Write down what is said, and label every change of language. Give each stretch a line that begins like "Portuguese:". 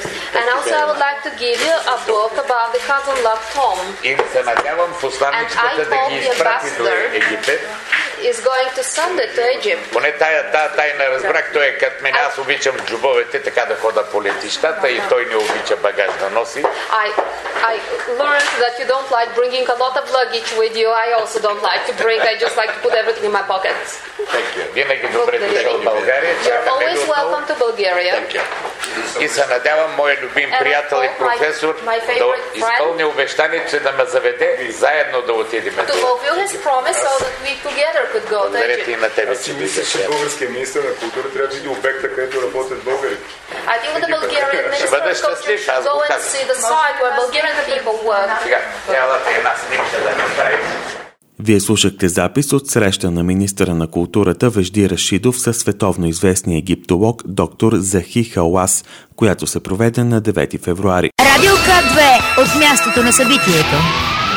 English: And also I would like to give you a book about the Kazanlakh tomb. And I hope the ambassador is going to send it to Egypt.
Bulgarian: Поне тая тайна разбрах, той е кът мен, аз обичам джубовете, така да хода по летищата и той не обича багаж да носи.
English: I learned that you don't like bringing a lot of luggage with you. I also don't like to bring. I just like to put everything in my pockets. Thank you.
Bulgarian: Винаги добре дошъл в България.
English: You're always welcome to Bulgaria.
Bulgarian: И се надявам мой любим приятел и професор да изпълни обещанието да ме заведе заедно да отидем.
English: To fulfill his promise so that we together could go.
Bulgarian: Благодаря ти на тебе. Аз си мисля, че българския министър на култура трябва да види обекта, където работят българи.
English: I think the Bulgarian minister of culture should go and see the site where Bulgarian people work.
Bulgarian: Сега, трябва да те една снимка да направим. Вие слушахте запис от среща на министъра на културата Вежди Рашидов със световно известния египтолог доктор Захи Халас, която се проведе на 9 февруари. Радио К2 от мястото на събитието.